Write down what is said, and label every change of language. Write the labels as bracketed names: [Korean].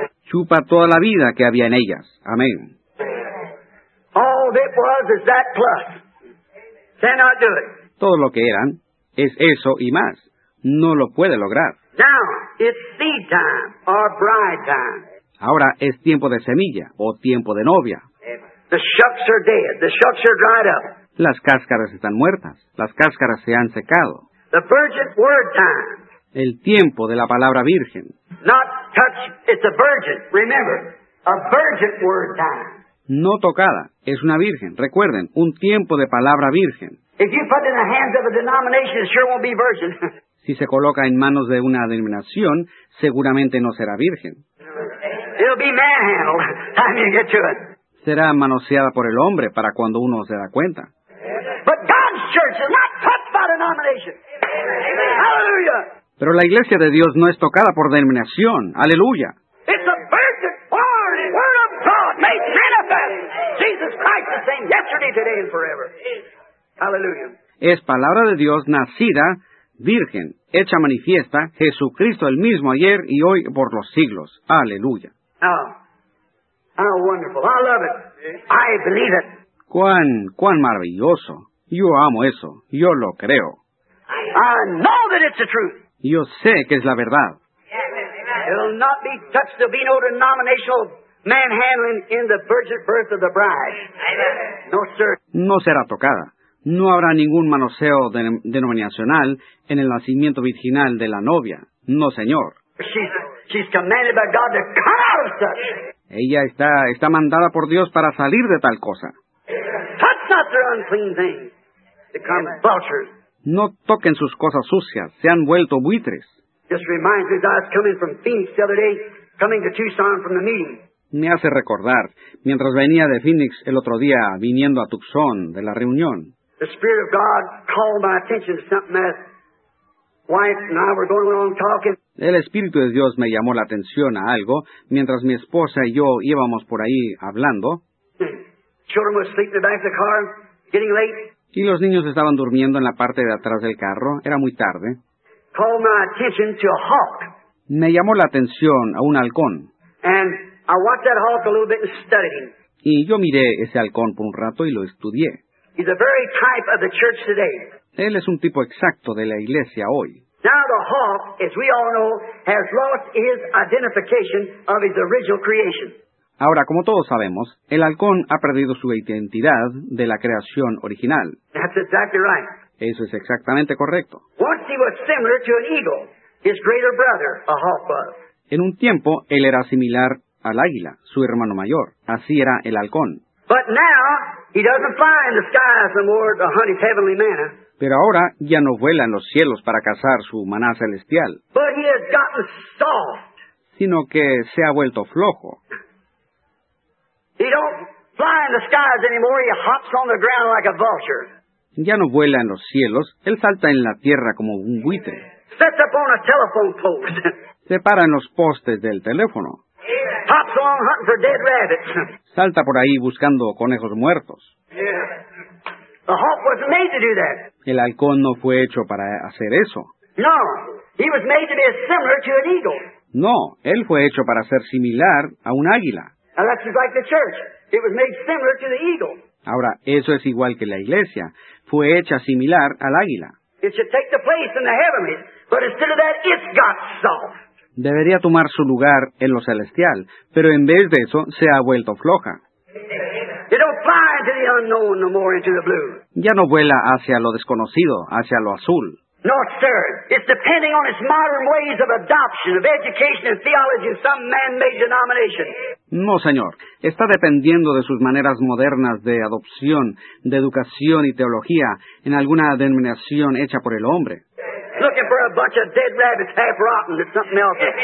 [Spanish] Chupa toda la vida que había en ellas. Amén. [English] All it was is that plus. Cannot do it. [Spanish] Todo lo que eran es eso y más. No lo puede lograr. [English] Now, it's seed time or bride time. [Spanish] Ahora es tiempo de semilla o tiempo de novia. [English] The shucks are dead. The shucks are dried up. [Spanish] Las cáscaras están muertas. Las cáscaras se han secado. [English] The virgin word time. [Spanish] El tiempo de la palabra virgen. [English] Not touch. It's a virgin. Remember, a virgin word time. [Spanish] No tocada. Es una virgen. Recuerden, un tiempo de palabra virgen. [English] If you put it in the hands of a denomination, it sure won't be virgin. [Spanish] Si se coloca en manos de una denominación, seguramente no será virgen. [English] It'll be manhandled time you get to it. [Spanish] Será manoseada por el hombre para cuando uno se da cuenta. [English] But God's church is not touched by denomination. Hallelujah. [Spanish] Pero la iglesia de Dios no es tocada por denominación. Aleluya. [English] It's a virgin born, word of God made manifest. Jesus Christ the same yesterday, today and forever. Hallelujah. [Spanish] Es palabra de Dios nacida, virgen, hecha manifiesta, Jesucristo el mismo ayer y hoy por los siglos. Aleluya. [English] Oh. How wonderful. I love it. I believe it. [Spanish] Cuán maravilloso. Yo amo eso. Yo lo creo. [English] I know that it's the truth. [Spanish] Yo sé que es la verdad. [English] It will not be touched. There'll be no denominational manhandling in the virgin birth of the bride. No, sir. [Spanish] No será tocada. No habrá ningún manoseo denominacional en el nacimiento virginal de la novia. No, señor. [English] She's commanded by God to cut out of such. [Spanish] Ella está mandada por Dios para salir de tal cosa. [English] Touch not their unclean things. Become vultures. [Spanish] No toquen sus cosas sucias. Se han vuelto buitres. [English] Just reminds me that I was coming from Phoenix the other day, coming to Tucson from the meeting. [Spanish] Me hace recordar, mientras venía de Phoenix el otro día, viniendo a Tucson de la reunión. [English] The Spirit of God called my attention to something that wife and I were going along talking. [Spanish] El Espíritu de Dios me llamó la atención a algo mientras mi esposa y yo íbamos por ahí hablando. [English] Children were sleeping in the back of the car, getting late. [Spanish] Y los niños estaban durmiendo en la parte de atrás del carro. Era muy tarde. [English] Called my attention to a hawk. [Spanish] Me llamó la atención a un halcón. [English] And I watched that hawk a little bit and studied him. [Spanish] Y yo miré ese halcón por un rato y lo estudié. [English] He's a very type of the church today. [Spanish] Él es un tipo exacto de la iglesia hoy. [English] Now the hawk, as we all know, has lost his identification of his original creation. [Spanish] Ahora, como todos sabemos, el halcón ha perdido su identidad de la creación original. [English] That's exactly right. [Spanish] Eso es exactamente correcto. [English] Once he was similar to an eagle, his greater brother, a hawk was. [Spanish] En un tiempo, él era similar al águila, su hermano mayor. Así era el halcón. [English] But now, he doesn't fly in the sky anymore to hunt his heavenly manna. [Spanish] pero ahora ya no vuela en los cielos para cazar su maná celestial, [English] but he has gotten soft. [Spanish] Sino que se ha vuelto flojo. [English] He don't fly in the skies anymore, he hops on the ground like a vulture. [Spanish] Ya no vuela en los cielos, él salta en la tierra como un buitre. [English] Sets up on a telephone post. [Spanish] Se para en los postes del teléfono. [English] Hops along hunting for dead rabbits. [Spanish] Salta por ahí buscando conejos muertos. [English] The hawk wasn't made to do that. [Spanish] El halcón no fue hecho para hacer eso. [English] No, he was made to be similar to an eagle. [Spanish] No, él fue hecho para ser similar a un águila. [English] And that's just like the church. It was made similar to the eagle. [Spanish] Ahora, eso es igual que la iglesia. Fue hecha similar al águila. [English] It should take the place in the heavens, but instead of that, it's got soft. [Spanish] Debería tomar su lugar en lo celestial, pero en vez de eso, se ha vuelto floja. [English] It don't fly into the unknown no more, into the blue. [Spanish] Ya no vuela hacia lo desconocido, hacia lo azul. [English] No, sir. It's depending on its modern ways of adoption, of education and theology in some man-made denomination. [Spanish] No, señor. Está dependiendo de sus maneras modernas de adopción, de educación y teología en alguna denominación hecha por el hombre. [English] Looking for a bunch of dead rabbits, half rotten, or something else.